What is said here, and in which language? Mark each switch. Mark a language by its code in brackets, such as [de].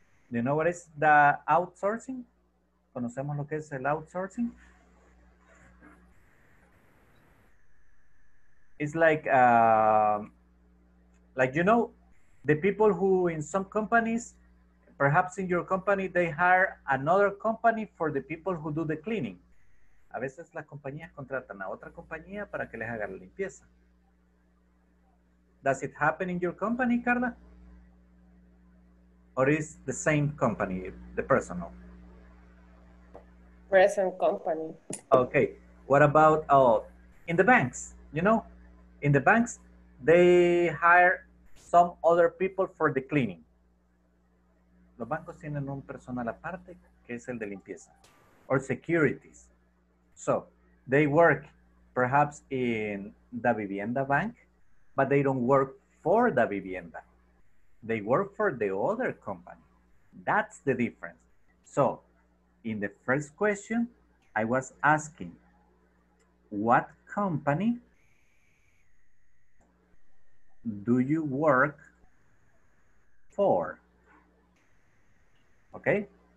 [en] Do you know what is the outsourcing? [es] ¿Conocemos lo que es el outsourcing? [en] It's like you know, the people who in some companies, perhaps in your company, they hire another company for the people who do the cleaning. [es] A veces las compañías contratan a otra compañía para que les haga la limpieza. [en] Does it happen in your company, Carla? Or is the same company, the personal? Present company. Okay. What about in the banks? You know, in the banks, they hire some other people for the cleaning. [es] Los bancos tienen un personal aparte que es el de limpieza. [en] Or securities. So, they work perhaps in the Davivienda Bank, but they don't work for the Davivienda. They work for the other company. That's the difference. So, in the first question, I was asking, what company do you work for? Okay?